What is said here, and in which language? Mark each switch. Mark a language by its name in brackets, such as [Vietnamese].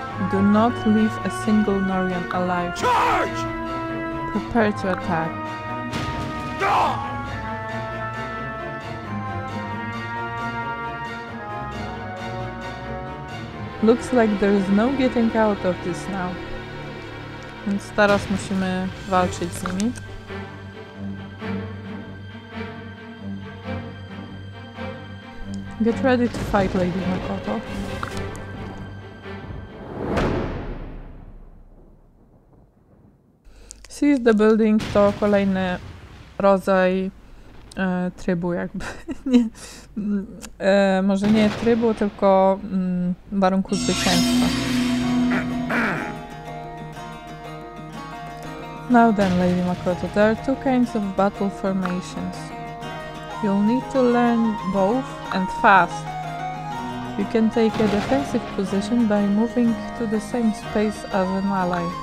[English] Do not leave a single Norian alive. Charge! Prepare to attack. Looks like there is no getting out of this now. [Polish] Więc teraz musimy walczyć z nimi. [English] Get ready to fight, Lady Makoto. Seize the building [Polish] to kolejny rodzaj trybu jakby. Nie, może nie trybu, tylko warunku zwycięstwa. [English] Now then, Lady Makoto, there are two kinds of battle formations. You'll need to learn both and fast. You can take a defensive position by moving to the same space as an ally.